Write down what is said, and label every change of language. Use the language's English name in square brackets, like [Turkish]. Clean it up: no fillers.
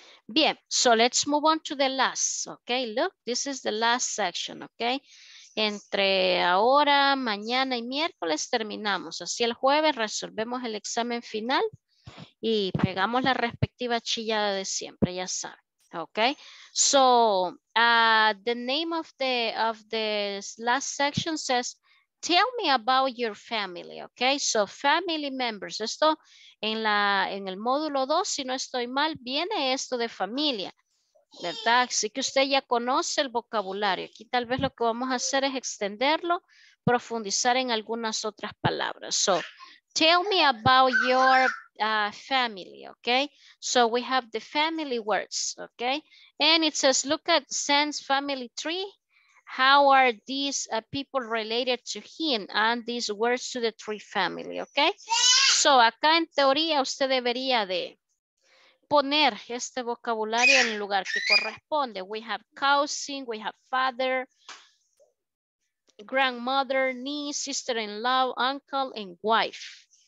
[Spanish] Bien, [English] so let's move on to the last, okay? Look, this is the last section, okay? [Spanish] Entre ahora, mañana y miércoles terminamos. Así el jueves resolvemos el examen final y pegamos la respectiva chillada de siempre, ya saben, okay? [English] So, the name of the last section says, tell me about your family, okay? So family members, [Spanish] esto en el módulo 2, si no estoy mal, viene esto de familia, ¿verdad? Así que usted ya conoce el vocabulario. Aquí tal vez lo que vamos a hacer es extenderlo, profundizar en algunas otras palabras. [English] So tell me about your family, okay? So we have the family words, okay? And it says, look at Sam's family tree. How are these people related to him and these words to the tree family, okay? [Spanish] So, acá en teoría usted debería de poner este vocabulario en el lugar que corresponde. [English] We have cousin, we have father, grandmother, niece, sister-in-law, uncle, and wife.